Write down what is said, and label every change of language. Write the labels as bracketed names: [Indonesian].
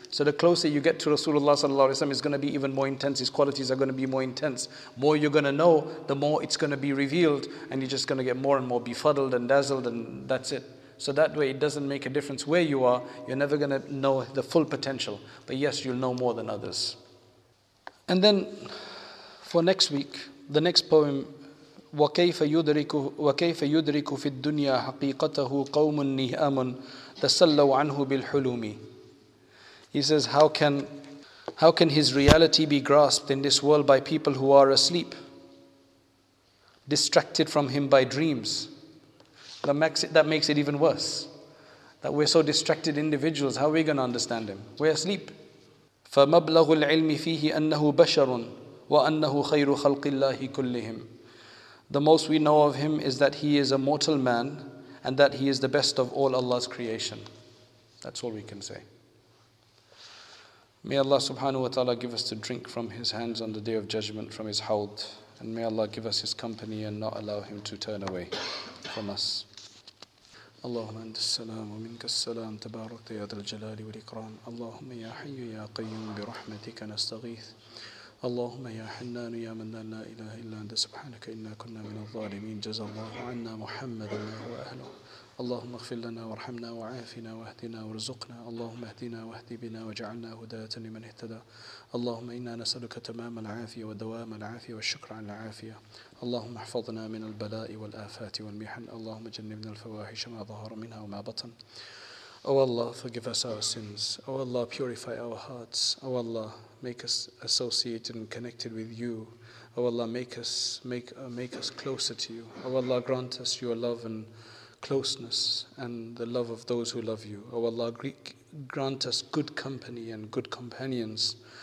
[English] So the closer you get to Rasulullah sallallahu alaihi wasallam, is going to be even more intense. His qualities are going to be more intense. More you're going to know, the more it's going to be revealed, and you're just going to get more and more befuddled and dazzled, and that's it. So that way it doesn't make a difference where you are. You're never going to know the full potential. But yes, you'll know more than others. And then for next week, the next poem, [Arabic] وَكَيْفَ يُدْرِكُ فِي الدُّنْيَا حَقِيقَتَهُ قَوْمٌ نِهَامٌ تَسَلَّوْ عَنْهُ بِالْحُلُومِ. [English] He says, how can his reality be grasped in this world by people who are asleep, distracted from him by dreams? That makes it even worse. That we're so distracted individuals, how are we going to understand him? We're asleep. [Arabic] فَمَبْلَغُ الْعِلْمِ فِيهِ أَنَّهُ بَشَرٌ وَأَنَّهُ خَيْرُ خَلْقِ اللَّهِ كُلِّهِمْ. [English] The most we know of him is that he is a mortal man and that he is the best of all Allah's creation. That's all we can say. May Allah subhanahu wa ta'ala give us to drink from his hands on the day of judgment, from his hawd. And may Allah give us his company and not allow him to turn away from us. [Arabic] اللهم أنت السلام ومنك السلام تبارك يا ذا الجلال والإكرام اللهم يا حي يا قيوم برحمتك نستغيث اللهم يا حنان يا منان لا إله إلا أنت سبحانك إنا كنا من الظالمين جزى الله عنا محمد ما هو أهله اللهم اغفر لنا وارحمنا وعافنا واهدنا وارزقنا اللهم اهدنا واهد بنا واجعلنا هداة لمن اهتدى اللهم إنا نسألك تمام العافية ودوام العافية والشكر على العافية اللهم احفظنا من البلاء والآفات والمحن اللهم جنبنا الفواحش ما ظهر منها وما بطن [English] O Allah, forgive us our sins. O Allah, purify our hearts. O Allah, make us associated and connected with you. O Allah, make us closer to you. O Allah, grant us your love and closeness and the love of those who love you. O Allah, grant us good company and good companions.